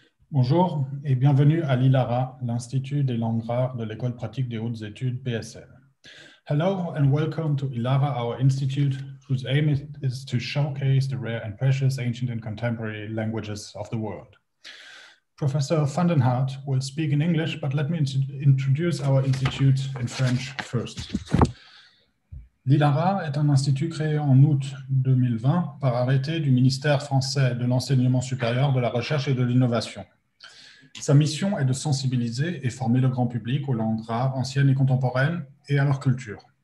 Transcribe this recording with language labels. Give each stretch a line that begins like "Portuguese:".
French: Bonjour et bienvenue à l'ILARA, l'Institut des langues rares de l'École pratique des hautes études PSL.
English: Hello and welcome to ILARA, our institute, whose aim is to showcase the rare and precious ancient and contemporary languages of the world. Professor van den Hout will speak in English, but let me introduce our institute in French first.
French: L'ILARA est un institut créé en août 2020 par arrêté du ministère français de l'enseignement supérieur, de la recherche et de l'innovation. Sa mission est de sensibiliser et former le grand public aux langues rares, anciennes et contemporaines et à leur culture.